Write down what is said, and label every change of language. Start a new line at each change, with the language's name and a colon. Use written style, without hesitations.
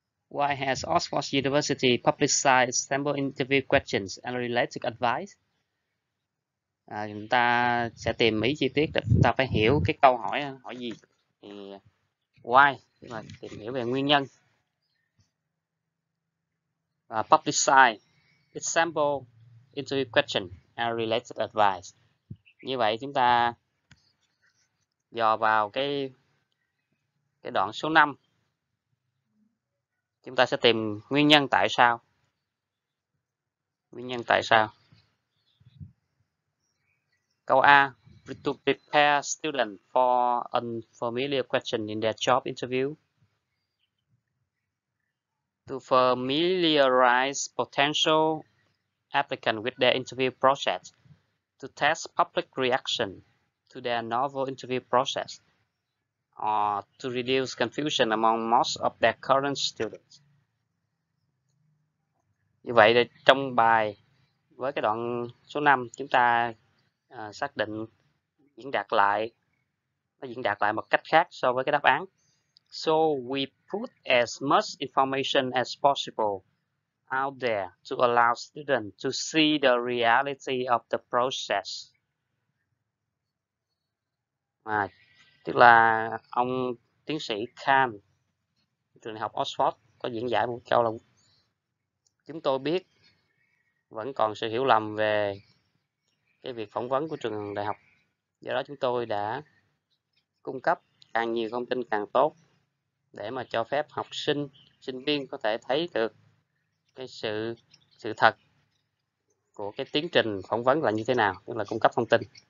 English: Why has Oxford University publicized sample interview questions and related advice?
Vietnamese: Chúng ta sẽ tìm mỹ chi tiết, chúng ta phải hiểu cái câu hỏi hỏi gì. Thì why, tức là tìm hiểu về nguyên nhân. Và
English: publicize sample interview question and related advice.
Vietnamese: Như vậy chúng ta dò vào cái đoạn số 5. Chúng ta sẽ tìm nguyên nhân tại sao. Nguyên nhân tại sao. Câu A,
English: to prepare students for unfamiliar question in their job interview. To familiarize potential applicant with their interview process. To test public reaction to their novel interview process. Or to reduce confusion among most of their current students.
Vietnamese: Như vậy thì trong bài với cái đoạn số 5 chúng ta xác định diễn đạt lại, nó diễn đạt lại một cách khác so với cái đáp án.
English: So we put as much information as possible out there to allow students to see the reality of the process.
Vietnamese: Tức là ông tiến sĩ Khan, trường đại học Oxford, có có diễn giải một câu là chúng tôi biết vẫn còn sự hiểu lầm về cái việc phỏng vấn của trường đại học, do đó chúng tôi đã cung cấp càng nhiều thông tin càng tốt để mà cho phép học sinh, sinh viên có thể thấy được cái sự thật của cái tiến trình phỏng vấn là như thế nào, tức là cung cấp thông tin.